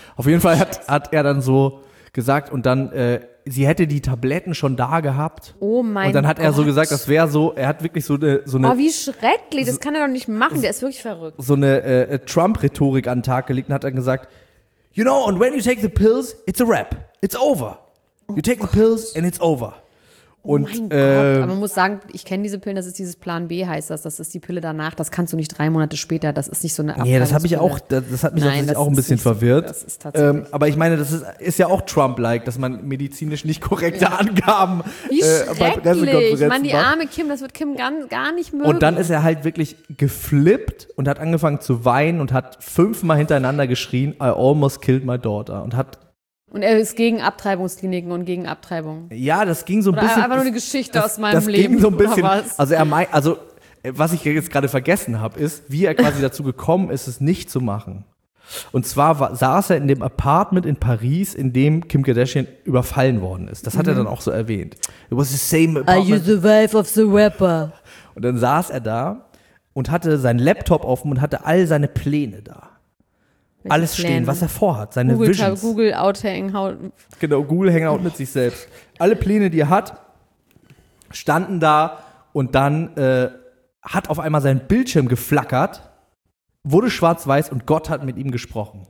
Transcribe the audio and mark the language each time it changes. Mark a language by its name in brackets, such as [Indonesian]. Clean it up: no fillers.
[German] Auf jeden Fall hat er dann so gesagt und dann... sie hätte die Tabletten schon da gehabt. Oh mein Gott. Und dann hat Gott. Er so gesagt, das wäre so, er hat wirklich so eine... Oh, wie schrecklich, das kann er doch nicht machen, der ist wirklich verrückt. So eine Trump-Rhetorik an den Tag gelegt und hat dann gesagt, [English] you know, and when you take the pills, it's a wrap. It's over. You take the pills and it's over. [German] Und, oh mein Gott, aber man muss sagen, ich kenne diese Pillen, das ist dieses Plan B, heißt das. Das ist die Pille danach, das kannst du nicht 3 Monate später, das ist nicht so eine Abteilung. Nee, das habe ich auch, das hat mich tatsächlich auch ein bisschen verwirrt. Das ist tatsächlich. Aber ich meine, das ist ja auch Trump-like, dass man medizinisch nicht korrekte Angaben bei Pressekonferenzen macht. Ich meine, die arme Kim, das wird Kim gar nicht mögen. Und dann ist er halt wirklich geflippt und hat angefangen zu weinen und hat 5-mal hintereinander geschrien, [English] I almost killed my daughter [German] und hat... Und er ist gegen Abtreibungskliniken und gegen Abtreibung. Ja, das ging so ein oder bisschen. Einfach nur eine Geschichte aus meinem das Leben. Das ging so ein bisschen. Also, was ich jetzt gerade vergessen habe, ist, wie er quasi dazu gekommen ist, es nicht zu machen. Und zwar saß er in dem Apartment in Paris, in dem Kim Kardashian überfallen worden ist. Das hat er dann auch so erwähnt. [English] It was the same apartment. Are you the wife of the rapper? [German] Und dann saß er da und hatte seinen Laptop offen und hatte all seine Pläne da. Alles Pläne. Stehen, was er vorhat, seine Google, Visions. Google Outhangout. Genau, Google Hangout mit sich selbst. Alle Pläne, die er hat, standen da und dann hat auf einmal sein Bildschirm geflackert, wurde schwarz-weiß und Gott hat mit ihm gesprochen.